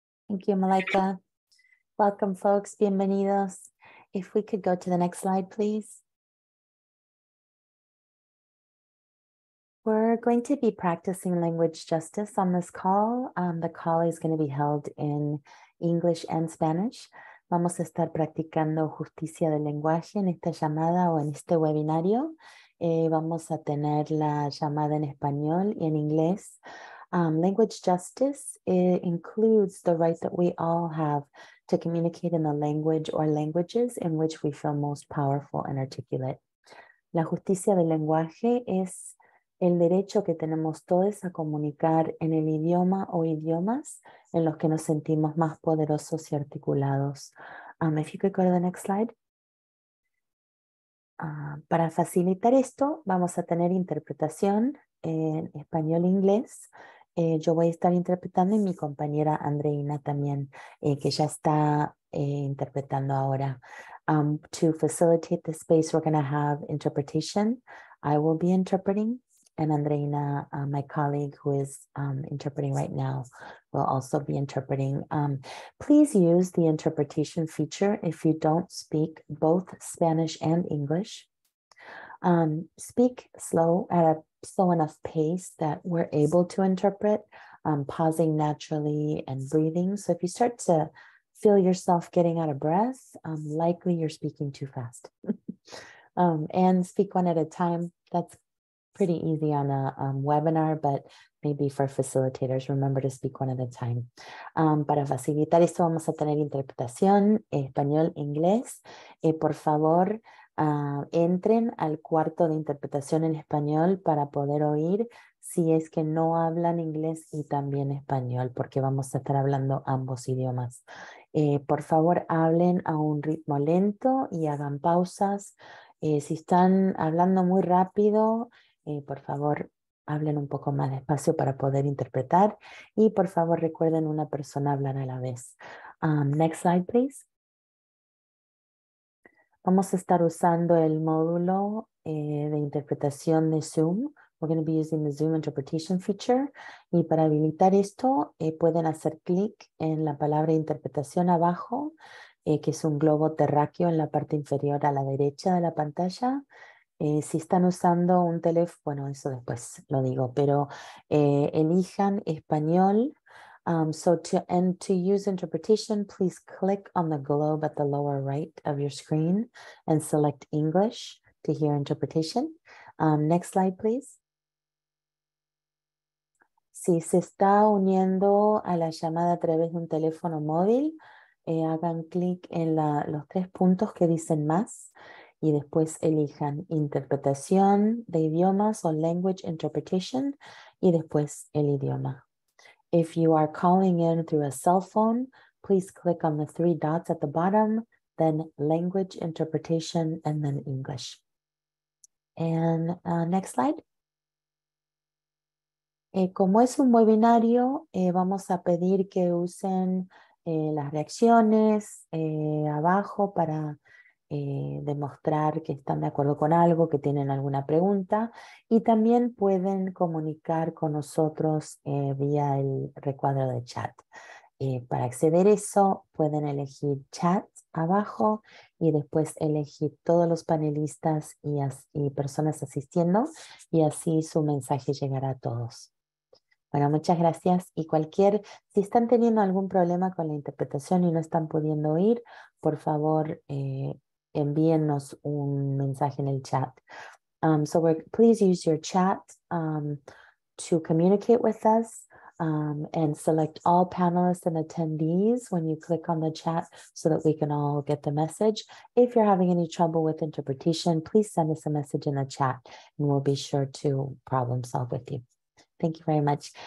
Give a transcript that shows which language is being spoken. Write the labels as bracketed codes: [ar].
[en] Thank you, Malaika. Welcome, folks. [es] Bienvenidos. [en] If we could go to the next slide, please. We're going to be practicing language justice on this call. The call is going to be held in English and Spanish. [es] Vamos a estar practicando justicia del lenguaje en esta llamada o en este webinario. Vamos a tener la llamada en español y en inglés. [en] Language justice, it includes the right that we all have to communicate in the language or languages in which we feel most powerful and articulate. [es] La justicia del lenguaje es el derecho que tenemos todos a comunicar en el idioma o idiomas en los que nos sentimos más poderosos y articulados. [en] If you could go to the next slide. [es] Para facilitar esto, vamos a tener interpretación en español e inglés. Yo voy a estar interpretando y mi compañera Andreina también, que ya está interpretando ahora. [en] To facilitate the space, we're going to have interpretation. I will be interpreting, and Andreina, my colleague who is interpreting right now, will also be interpreting. Please use the interpretation feature if you don't speak both Spanish and English. Speak slow at a slow enough pace that we're able to interpret, pausing naturally and breathing. So if you start to feel yourself getting out of breath, likely you're speaking too fast. and speak one at a time. That's pretty easy on a webinar, but maybe for facilitators, remember to speak one at a time. [es] Para facilitar esto, vamos a tener interpretación, español, inglés. Por favor, entren al cuarto de interpretación en español para poder oír si es que no hablan inglés y también español, porque vamos a estar hablando ambos idiomas. Por favor, hablen a un ritmo lento y hagan pausas. Si están hablando muy rápido, por favor, hablen un poco más despacio para poder interpretar. Y por favor, recuerden una persona hablar a la vez. [en] Next slide, please. [es] Vamos a estar usando el módulo de interpretación de Zoom. [en] We're going to be using the Zoom interpretation feature. [es] Y para habilitar esto, pueden hacer clic en la palabra interpretación abajo, que es un globo terráqueo en la parte inferior a la derecha de la pantalla. Si están usando un teléfono, bueno, eso después lo digo, pero elijan español. [en] So to use interpretation, please click on the globe at the lower right of your screen and select English to hear interpretation. Next slide, please. [es] Si se está uniendo a la llamada a través de un teléfono móvil, hagan clic en los tres puntos que dicen más y después elijan interpretación de idiomas o [en] language interpretation [es] y después el idioma. [en] If you are calling in through a cell phone, please click on the three dots at the bottom, then language interpretation, and then English. And next slide. [es] Como es un webinario, vamos a pedir que usen las reacciones abajo para demostrar que están de acuerdo con algo, que tienen alguna pregunta, y también pueden comunicar con nosotros vía el recuadro de chat. Para acceder a eso, pueden elegir chat abajo y después elegir todos los panelistas y personas asistiendo, y así su mensaje llegará a todos. Bueno, muchas gracias. Y cualquier, si están teniendo algún problema con la interpretación y no están pudiendo oír, por favor, envíennos un mensaje en el chat. [en] Please use your chat to communicate with us and select all panelists and attendees when you click on the chat so that we can all get the message. If you're having any trouble with interpretation, please send us a message in the chat and we'll be sure to problem solve with you. Thank you very much.